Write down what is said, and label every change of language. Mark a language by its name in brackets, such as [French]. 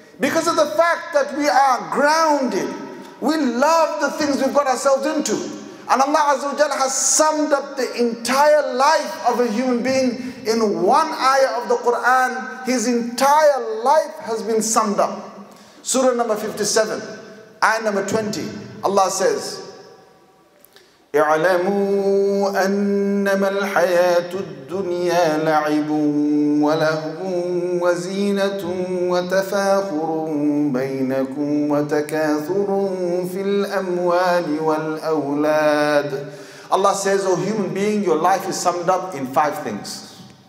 [English] Because of the fact that we are grounded. We love the things we've got ourselves into. And Allah Azza wa Jalla has summed up the entire life of a human being in one ayah of the Quran. His entire life has been summed up. Surah number 57, ayah number 20. Allah says, [Arabic] اعلموا أنما الحياة الدنيا لعب ولهو وزينة وتفاخر بينكم وتكاثر في الأموال والأولاد. [English] Allah says, oh human being, your life is summed up in five things.